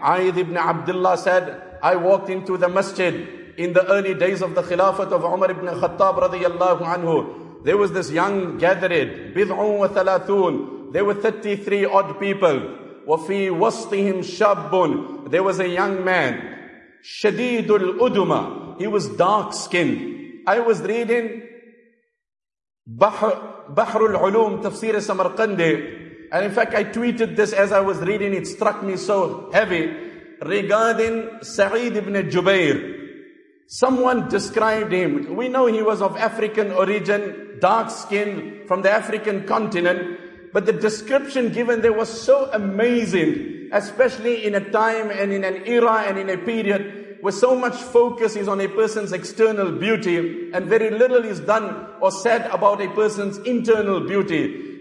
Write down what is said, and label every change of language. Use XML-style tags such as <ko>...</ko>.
<en>Ayd ibn Abdullah said, I walked into the masjid in the early days of the Khilafat of Umar ibn Khattab radiallahu anhu. There was this young gathered,</en> <ar>bid'un wa thalathun.</ar> <en>There were 33 odd people.</en> <ar>وَفِي وَسْطِهِمْ شَابٌ.</ar> <en>There was a young man,</en> <ar>شَدِيدُ الْأُدُمَ.</ar> <en>He was dark-skinned. I was reading بَحْرُ الْعُلُومِ تَفْسِيرِ سَمَرْقَنْدِ. And in fact, I tweeted this as I was reading. It struck me so heavy. Regarding Sa'id ibn Jubair, someone described him. We know he was of African origin, dark-skinned, from the African continent. But the description given there was so amazing, especially in a time and in an era and in a period where so much focus is on a person's external beauty and very little is done or said about a person's internal beauty.</en>